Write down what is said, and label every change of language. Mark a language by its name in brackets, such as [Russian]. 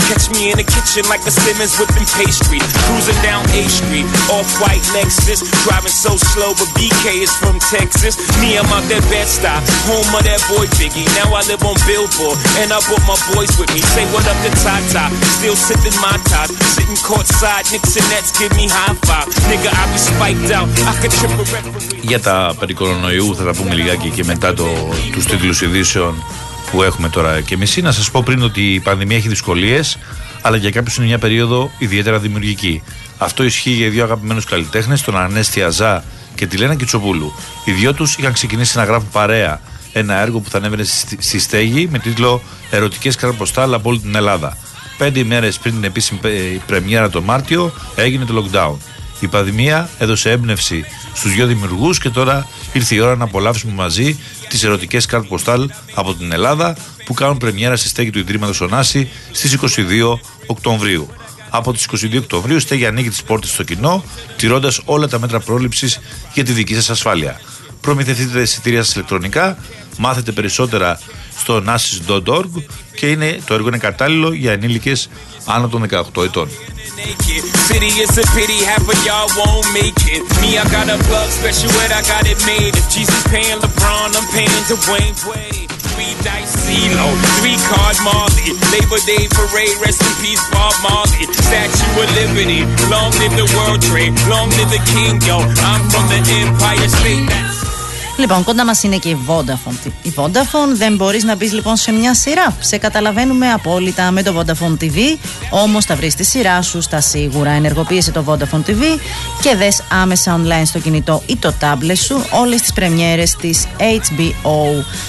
[English] Catch me in the kitchen like a Simmons whipping pastry. Cruising down A Street, off-white Lexus, driving so slow, but BK is from Texas. Me, I'm out that Bed-Stuy, home of that boy Biggie. Now I live on Billboard, and I brought my boys with me. Say what up to Tata, still sipping my top, sitting courtside, Knicks and Nets give me high five. Nigga, I be spiked out, I could trip a referee. [Greek] Για τα περί κορονοϊού θα τα πούμε λιγάκι και μετά τους τίτλους ειδήσεων που έχουμε τώρα και μισή. Να σας πω πριν ότι η πανδημία έχει δυσκολίες, αλλά για κάποιους είναι μια περίοδο ιδιαίτερα δημιουργική. Αυτό ισχύει για δύο αγαπημένους καλλιτέχνες, τον Ανέστη Αζά και τη Λένα Κιτσοπούλου. Οι δυο τους είχαν ξεκινήσει να γράφουν παρέα ένα έργο που θα ανέβαινε στη στέγη με τίτλο «Ερωτικές καρποστάλ από όλη την Ελλάδα». Πέντε ημέρες πριν την επίσημη πρεμιέρα το Μάρτιο έγινε το lockdown. Η πανδημία έδωσε έμπνευση στους δύο δημιουργούς και τώρα ήρθε η ώρα να απολαύσουμε μαζί τις ερωτικές κάρτες ποστάλ από την Ελλάδα που κάνουν πρεμιέρα στη στέγη του Ιδρύματος Ωνάση στις 22 Οκτωβρίου. Από τις 22 Οκτωβρίου η στέγη ανοίγει τις πόρτες στο κοινό, τηρώντας όλα τα μέτρα πρόληψης για τη δική σας ασφάλεια. Προμηθευτείτε τα εισιτήρια σας ηλεκτρονικά, μάθετε περισσότερα στο onassis.org και είναι, το έργο είναι κατάλληλο για ενήλικες άνω των 18 ετών. [English] City is a pity, half of y'all won't make it. Me, I got a plug, special ed, I got it made. If Jesus paying LeBron, I'm paying Dwayne Wade. Three dice, CeeLo, three card Marley. Labor Day parade, rest in peace, Bob Marley. Statue of Liberty, long live the World Trade. Long live the King, yo, I'm from the Empire State. [Greek] Λοιπόν, κοντά μας είναι και η Vodafone. Η Vodafone, δεν μπορείς να μπεις λοιπόν σε μια σειρά. Σε καταλαβαίνουμε απόλυτα με το Vodafone TV. Όμως θα βρεις τη σειρά σου στα σίγουρα. Ενεργοποίησε το Vodafone TV και δες άμεσα online στο κινητό ή το tablet σου όλες τις πρεμιέρες της HBO.